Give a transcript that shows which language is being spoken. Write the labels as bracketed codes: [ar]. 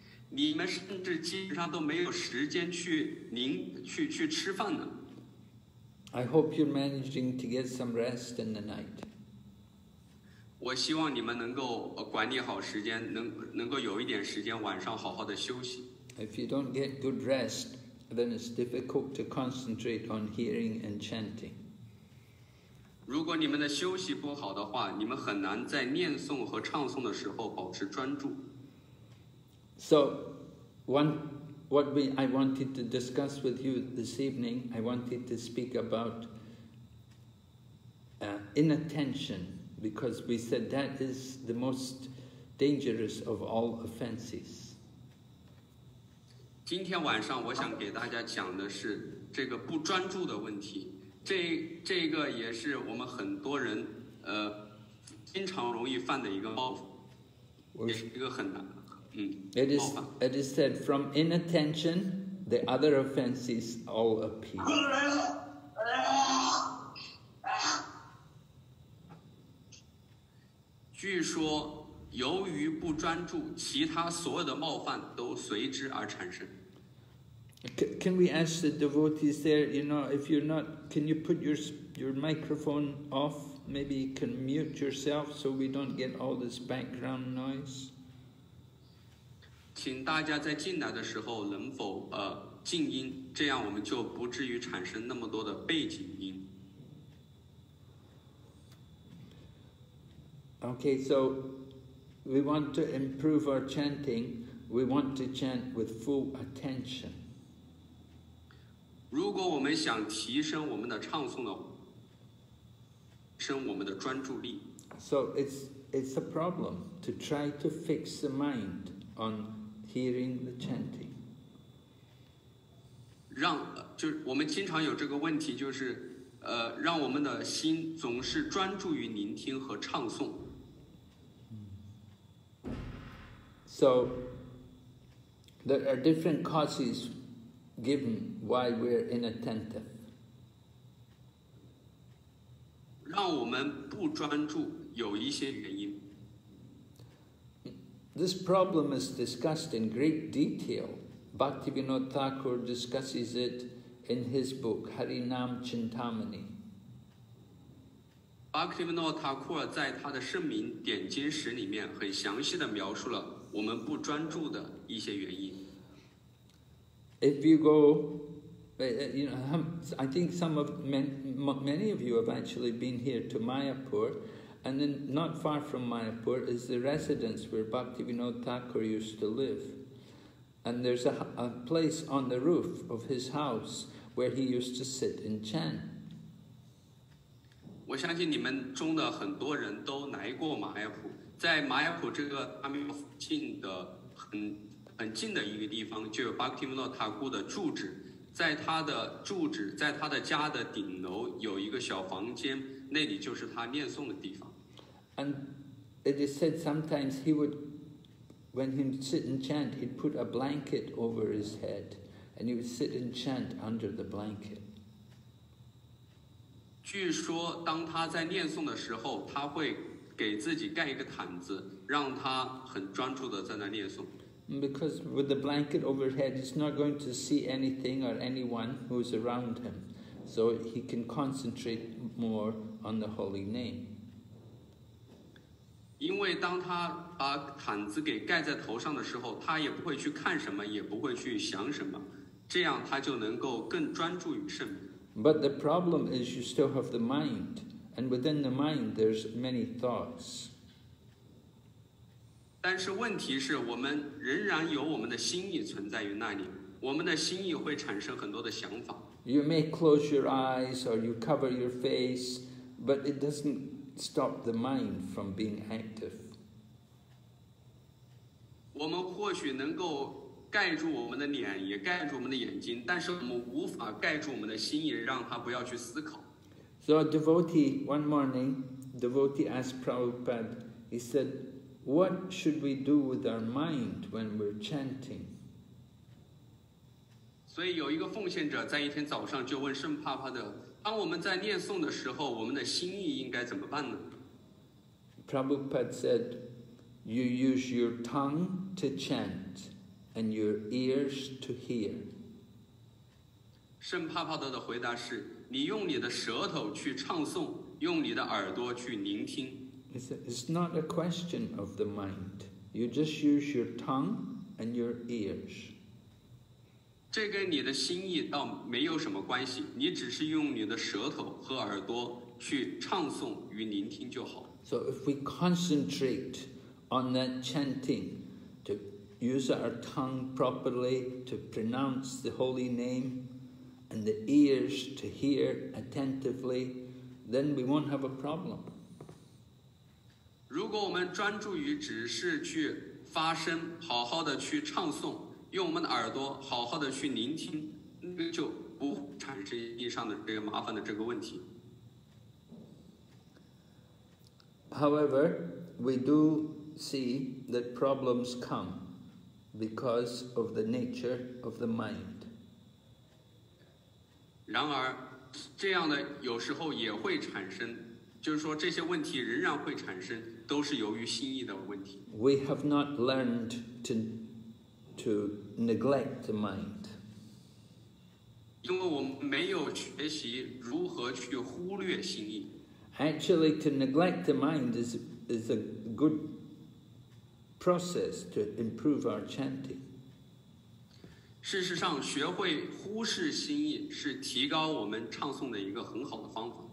[zh] 你们甚至基本上都没有时间去吃饭呢。 [en] I hope you're managing to get some rest in the night. [zh] 我希望你们能够管理好时间，能够有一点时间晚上好好的休息。 [en] If you don't get good rest, then it's difficult to concentrate on hearing and chanting. [zh] 如果你们的休息不好的话，你们很难在念诵和唱诵的时候保持专注。 [en] So, I wanted to discuss with you this evening, I wanted to speak about inattention. Because we said that is the most dangerous of all offenses. [zh] 今天晚上我想给大家讲的是这个不专注的问题，这个也是我们很多人经常容易犯的一个冒犯，也是一个很难冒犯。 [en] It is said from inattention, the other offenses all appear. [zh] 据说由于不专注，其他所有的冒犯都随之而产生。 [en] Can we ask the devotees there, you know, if you're not, can you put your microphone off? Maybe you can mute yourself so we don't get all this background noise. [zh] 请大家在进来的时候能否静音，这样我们就不至于产生那么多的背景音。 [en] Okay, so we want to improve our chanting. We want to chant with full attention. [zh] 如果我们想提升我们的唱诵的话，提升我们的专注力。 [en] So it's a problem to try to fix the mind on hearing the chanting. [zh] 就我们经常有这个问题，就是让我们的心总是专注于聆听和唱诵。 [en] So, there are different causes given why we're inattentive. [zh] 让我们不专注有一些原因。 [en] This problem is discussed in great detail. Bhaktivinoda Thakur discusses it in his book, Harinam Chintamani. [zh] Bhaktivinoda Thakur 在他的圣名点睛石里面很详细地描述了我们不专注的一些原因。 [en] If you go, you know, I think many of you have actually been here to Mayapur, and then not far from Mayapur is the residence where Bhaktivinoda Thakur used to live. And there's a place on the roof of his house where he used to sit and chant. [zh] 我相信你们中的很多人都来过马亚普。在马亚普这个阿弥陀附近的很近的一个地方，就有巴克提莫诺塔库的住址。在他的住址，在他的家的顶楼有一个小房间，那里就是他念诵的地方。 [en] And it is said sometimes he would, when he sit and chant, he'd put a blanket over his head, and he would sit and chant under the blanket. [zh] 据说当他在念诵的时候，他会给自己盖一个毯子，让他很专注地在那念诵。 [en] Because with the blanket overhead, he's not going to see anything or anyone who's around him, so he can concentrate more on the holy name. [zh] 因为当他把毯子给盖在头上的时候，他也不会去看什么，也不会去想什么，这样他就能够更专注于圣名。 [en] But the problem is you still have the mind, and within the mind there's many thoughts. [zh] 但是问题是我们仍然有我们的心意存在于那里，我们的心意会产生很多的想法。 [en] You may close your eyes or you cover your face, but it doesn't stop the mind from being active. [zh] 我们或许能够盖住我们的脸，也盖住我们的眼睛，但是我们无法盖住我们的心意，让它不要去思考。 [en] So a devotee, one morning, devotee asked Prabhupada, he said, what should we do with our mind when we're chanting? [zh] 所以有一个奉献者在一天早上就问圣帕帕的，当我们在念诵的时候，我们的心意应该怎么办呢？ [en] Prabhupada said, you use your tongue to chant. And your ears to hear. [zh] 圣帕帕德的回答是：你用你的舌头去唱诵，用你的耳朵去聆听。 [en] It's not a question of the mind. You just use your tongue and your ears. [zh] 这跟你的心意倒没有什么关系，你只是用你的舌头和耳朵去唱诵与聆听就好。 [en] So if we concentrate on that chanting, to use our tongue properly to pronounce the holy name and the ears to hear attentively, then we won't have a problem. [zh] 如果我们专注于只是去发声，好好的去唱诵，用我们的耳朵好好的去聆听，就不产生意义上的这个麻烦的这个问题。 [en] However, we do see that problems comeBecause of the nature of the mind. [zh] 然而，这样的有时候也会产生，就是说这些问题仍然会产生，都是由于心意的问题。 [en] We have not learned to neglect the mind. [zh] 因为我们没有学习如何去忽略心意。 [en] Actually, to neglect the mind is a good. Process to improve our chanting. [zh] 事实上，学会忽视心意是提高我们唱诵的一个很好的方法。